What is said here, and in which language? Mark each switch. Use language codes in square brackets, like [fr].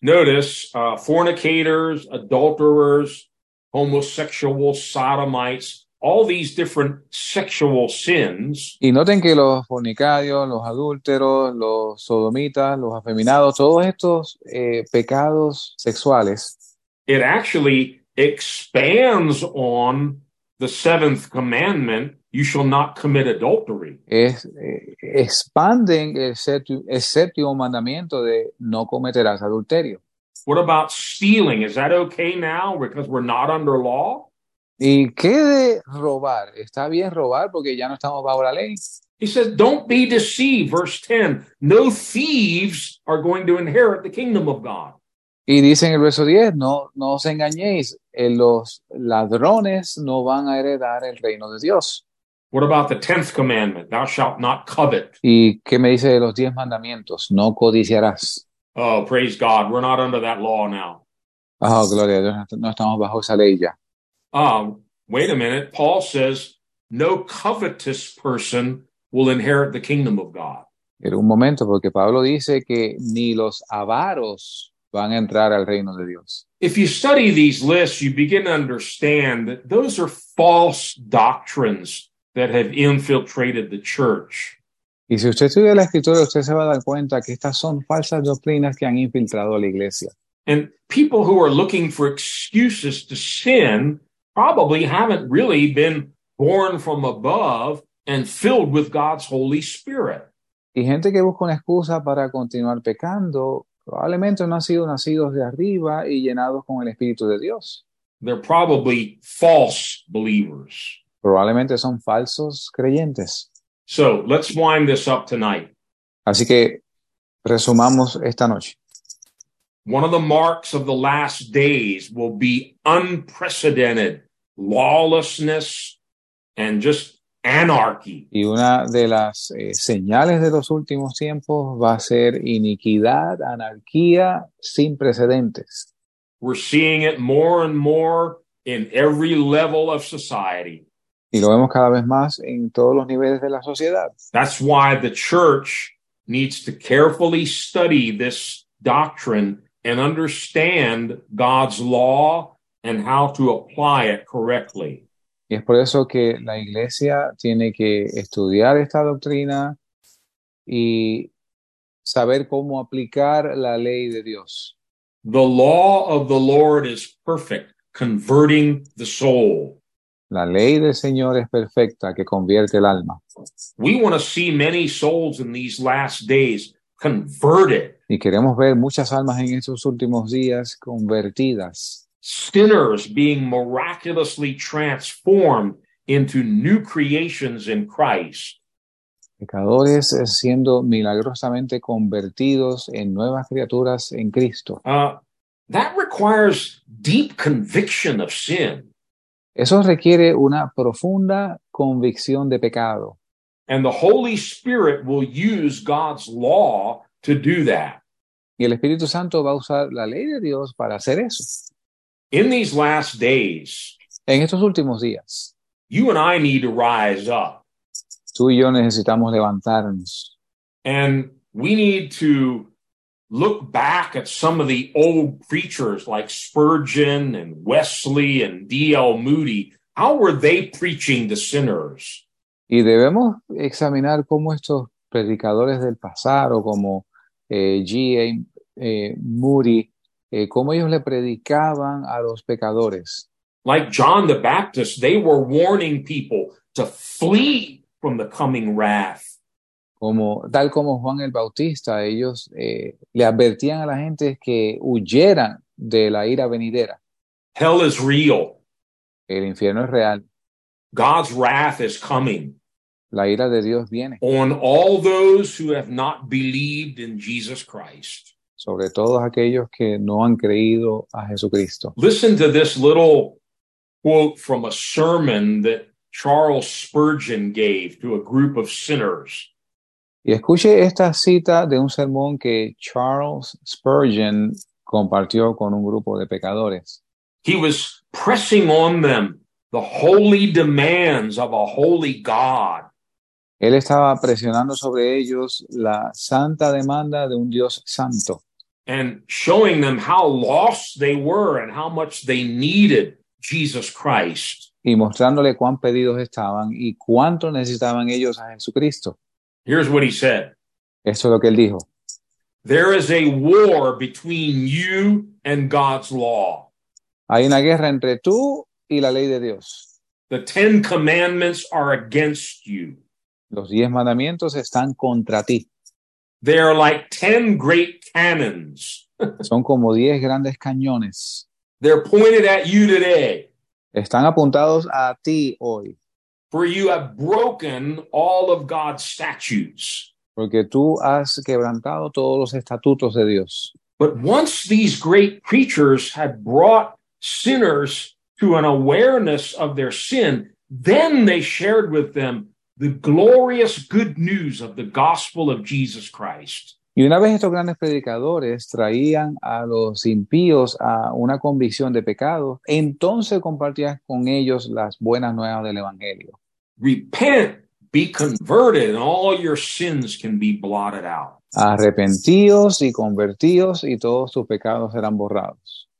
[en] Notice, fornicators, adulterers, homosexuals, sodomites, all these different sexual sins. [es] Y noten que los fornicarios, los adúlteros, los sodomitas, los afeminados, todos estos pecados sexuales. [en] It actually expands on the seventh commandment, you shall not commit adultery. [es] Expanden el séptimo mandamiento de no cometerás adulterio. [en] What about stealing? Is that okay now because we're not under law? [es] ¿Y qué de robar? ¿Está bien robar porque ya no estamos bajo la ley? [en] He says, don't be deceived, verse 10. No thieves are going to inherit the kingdom of God. [es] Y dice en el verso 10, no os engañéis, los ladrones no van a heredar el reino de Dios. [en] What about the 10th commandment? Thou shalt not covet. [es] ¿Y qué me dice de los 10 mandamientos? No codiciarás. [en] Oh, praise God, we're not under that law now. [es] Oh, gloria a Dios, no estamos bajo esa ley ya. [en] Wait a minute. Paul says no covetous person will inherit the kingdom of God. [es] Pero un momento, porque Pablo dice que ni los avaros van a entrar al reino de Dios. [en] If you study these lists, you begin to understand that those are false doctrines that have infiltrated the church. [es] Y si usted estudia la escritura, usted se va a dar cuenta que estas son falsas doctrinas que han infiltrado a la iglesia. [en] And people who are looking for excuses to sin probably haven't really been born from above and filled with God's Holy Spirit. [es] Y gente que busca una excusa para continuar pecando, probablemente no han sido nacidos de arriba y llenados con el Espíritu de Dios. [en] They're probably false believers. [es] Probablemente son falsos creyentes. [en] So, let's wind this up tonight. [es] Así que resumamos esta noche. [en] One of the marks of the last days will be unprecedented lawlessness and just anarchy. [es] Y una de las señales de los últimos tiempos va a ser iniquidad, anarquía sin precedentes. [en] We're seeing it more and more in every level of society. [es] Y lo vemos cada vez más en todos los niveles de la sociedad. [en] That's why the church needs to carefully study this doctrine and understand God's law and how to apply it correctly. [es] Y es por eso que la iglesia tiene que estudiar esta doctrina y saber cómo aplicar la ley de Dios. [en] The law of the Lord is perfect, converting the soul. [es] La ley del Señor es perfecta, que convierte el alma. [en] We want to see many souls in these last days converted. [es] Y queremos ver muchas almas en estos últimos días convertidas. [en] Sinners being miraculously transformed into new creations in Christ. [es] Pecadores siendo milagrosamente convertidos en nuevas criaturas en Cristo. [en] That requires deep conviction of sin. [es] Eso requiere una profunda convicción de pecado. [en] And the Holy Spirit will use God's law to do that. [es] Y el Espíritu Santo va a usar la ley de Dios para hacer eso. [en] In these last days, [es] en estos últimos días, [en] you and I need to rise up. [es] Tú y yo necesitamos levantarnos. [en] And we need to look back at some of the old preachers like Spurgeon and Wesley and D.L. Moody. How were they preaching to sinners? [es] Y debemos examinar cómo estos predicadores del pasado, como G.A. Moody, cómo ellos le predicaban a los pecadores. [en] Like John the Baptist, they were warning people to flee from the coming wrath. [es] Como, tal como Juan el Bautista, ellos le advertían a la gente que huyeran de la ira venidera. [en] Hell is real. [es] El infierno es real. [en] God's wrath is coming. [es] La ira de Dios viene. [en] On all those who have not believed in Jesus Christ. [es] Sobre todos aquellos que no han creído a Jesucristo. [en] Listen to this little quote from a sermon that Charles Spurgeon gave to a group of sinners. [es] Y escuche esta cita de un sermón que Charles Spurgeon compartió con un grupo de pecadores. [en] He was pressing on them the holy demands of a holy God. [es] Él estaba presionando sobre ellos la santa demanda de un Dios santo. [en] And showing them how lost they were and how much they needed Jesus Christ. [es] Y mostrándole cuán perdidos estaban y cuánto necesitaban ellos a Jesucristo. [en] Here's what he said. [es] Esto es lo que él dijo. [en] There is a war between you and God's law. [es] Hay una guerra entre tú y la ley de Dios. [en] The Ten Commandments are against you. [es] Los 10 mandamientos están contra ti. [en] They are like 10 great cannons. [es] Son como 10 grandes cañones. [en] They're pointed at you today. [es] Están apuntados a ti hoy. [en] For you have broken all of God's statutes. [es] Porque tú has quebrantado todos los estatutos de Dios. [en] But once these great preachers had brought sinners to an awareness of their sin, then they shared with them the glorious good news of the gospel of Jesus Christ. [es] Y una vez estos grandes predicadores traían a los impíos a una convicción de pecado, entonces compartían con ellos las buenas nuevas del Evangelio. [en] Repent, be converted, and all your sins can be blotted out. [es] Arrepentíos y convertíos y todos sus pecados serán borrados.